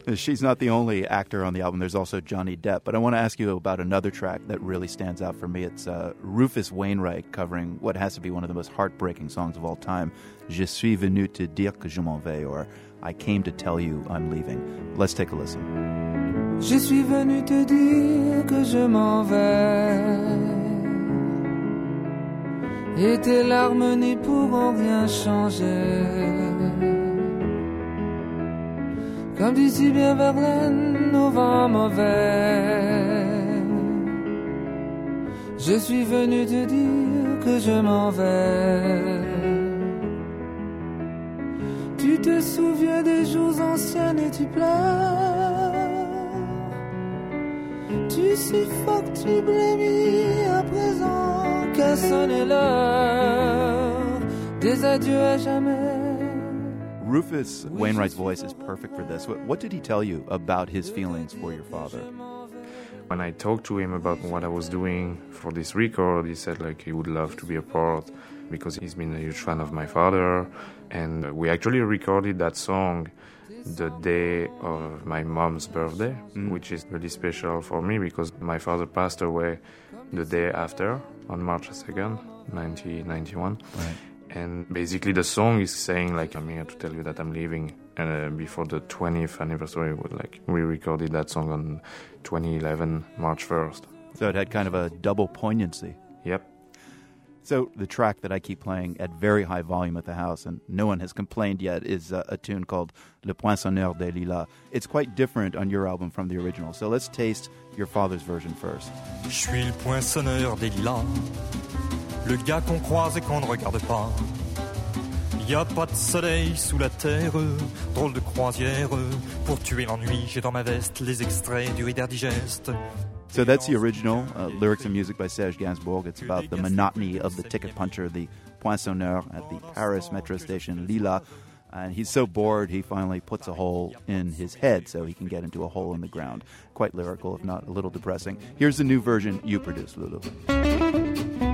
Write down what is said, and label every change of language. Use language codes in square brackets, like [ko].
[en] She's not the only actor on the album. There's also Johnny Depp. But I want to ask you about another track that really stands out for me. It's Rufus Wainwright covering what has to be one of the most heartbreaking songs of all time, [fr] Je suis venu te dire que je m'en vais, [en] or I came to tell you I'm leaving. Let's take a listen. [fr] Je suis venu te dire que je m'en vais. Et tes larmes n'y pourront rien changer. Comme dit si bien Verlaine, au vent mauvais. Je suis venu te dire que je m'en vais. Tu te souviens des jours anciens et tu pleures. Tu suffoques, tu blêmis à présent. a sonné l'heure des adieux à jamais. [en] Rufus Wainwright's voice is perfect for this. What did he tell you about his feelings for your father? When I talked to him about what I was doing for this record, he said like he would love to be a part because he's been a huge fan of my father. And we actually recorded that song the day of my mom's birthday, which is really special for me because my father passed away the day after, on March 2nd, 1991. Right. And basically the song is saying, like, I'm here to tell you that I'm leaving. And before the 20th anniversary, like, we recorded that song on 2011, March 1st. So it had kind of a double poignancy. Yep. So the track that I keep playing at very high volume at the house, and no one has complained yet, is a tune called Le Poinçonneur des Lilas. It's quite different on your album from the original. So let's taste your father's version first. [fr] Je suis le poinçonneur des lilas. Le gars qu'on croise et qu'on ne regarde pas. Y'a pas de soleil sous la terre. Drôle de croisière. Pour tuer l'ennui, j'ai dans ma veste les extraits du Rider Digest. [en] So that's the original lyrics and music by Serge Gainsbourg. It's about the monotony of the ticket puncher, the poinçonneur at the Paris metro station, Lila. And he's so bored, he finally puts a hole in his head so he can get into a hole in the ground. Quite lyrical, if not a little depressing. Here's the new version you produced, Lulu.